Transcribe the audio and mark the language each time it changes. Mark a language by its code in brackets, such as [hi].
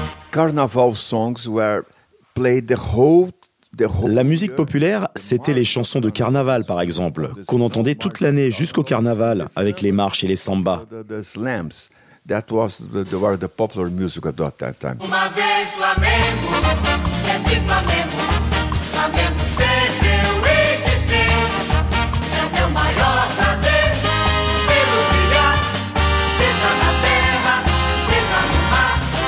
[en] Carnaval songs were played the whole [fr] La musique populaire, c'était les chansons de carnaval, par exemple, qu'on entendait toute l'année jusqu'au carnaval avec les marches et les sambas. [en] The slams, that was the popular music at that time. [pt] Uma vez Flamengo, sempre Flamengo. Flamengo sempre eu hei de ser. É meu maior prazer, pelo brilhar, seja na terra, seja no mar.